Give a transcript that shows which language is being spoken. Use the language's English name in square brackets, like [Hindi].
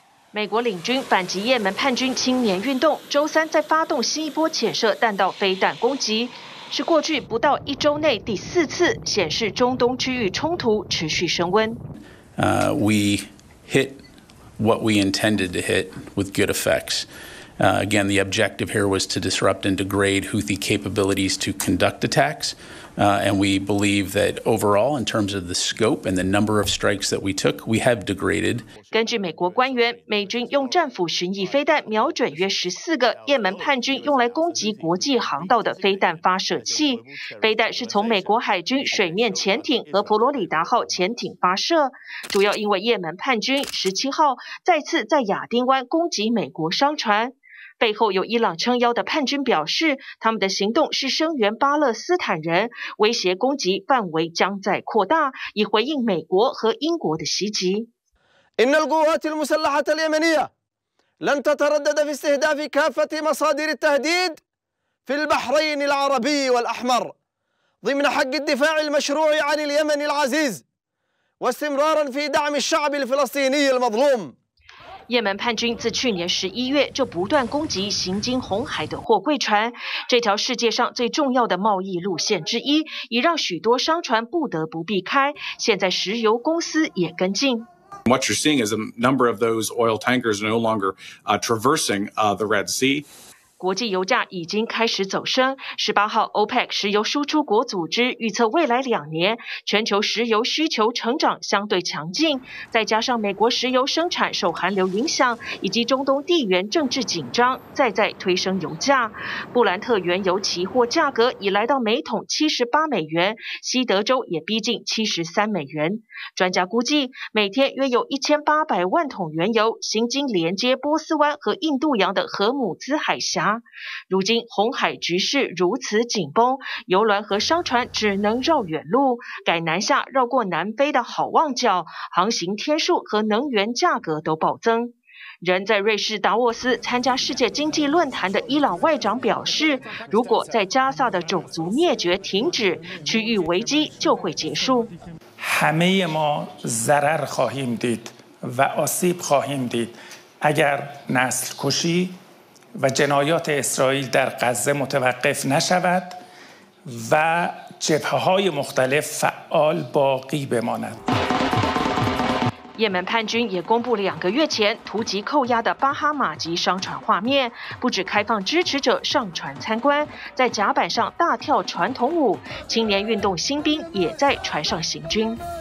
[Chinese] 美国领军反击也门叛军青年运动，周三再发动新一波潜射弹道飞弹攻击，是过去不到一周内第四次，显示中东区域冲突持续升温。 [English] We hit what we intended to hit with good effects. Again, the objective here was to disrupt and degrade Houthi capabilities to conduct attacks. And we believe that overall, in terms of the scope and the number of strikes that we took, we have degraded. [Chinese] 根据美国官员，美军用战斧巡弋飞弹瞄准约14个也门叛军用来攻击国际航道的飞弹发射器。飞弹是从美国海军水面潜艇和佛罗里达号潜艇发射，主要因为也门叛军17号再次在亚丁湾攻击美国商船。背后有伊朗撑腰的叛军表示，他们的行动是声援巴勒斯坦人，威胁攻击范围将在扩大，以回应美国和英国的袭击。 [Arabic] إن القوات المسلحة اليمنية لن تتردد في استهداف كافة مصادر التهديد في البحرين العربي والأحمر ضمن حق الدفاع المشروع عن اليمن العزيز واستمرارا في دعم الشعب الفلسطيني المظلوم。 [Chinese] 也门叛军自去年11月就不断攻击行经红海的货柜船，这条世界上最重要的贸易路线之一，已让许多商船不得不避开。现在石油公司也跟进。 [English] What you're seeing is a number of those oil tankers no longer traversing the Red Sea. [Chinese] 国际油价已经开始走升。18号 OPEC 石油输出国组织预测，未来两年全球石油需求成长相对强劲，再加上美国石油生产受寒流影响，以及中东地缘政治紧张，再推升油价。布兰特原油期货价格已来到每桶$78，西德州也逼近$73。专家估计，每天约有1800万桶原油行经连接波斯湾和印度洋的荷姆兹海峡。如今红海局势如此紧绷，油轮和商船只能绕远路，改南下绕过南非的好望角，航行天数和能源价格都暴增。人在瑞士达沃斯参加世界经济论坛的伊朗外长表示，如果在加萨的种族灭绝停止，区域危机就会结束。 [Persian] همه ما ضرر خواهیم دید و آسیب خواهیم دید اگر نسل کشی و جنایات اسرائیل در غزه متوقف نشود و جبهه های مختلف فعال باقی بماند。 [Chinese] 也门叛军也公布了两个月前突击扣押的巴哈马籍商船画面，不止开放支持者上船参观，在甲板上大跳传统舞，青年运动新兵也在船上行军。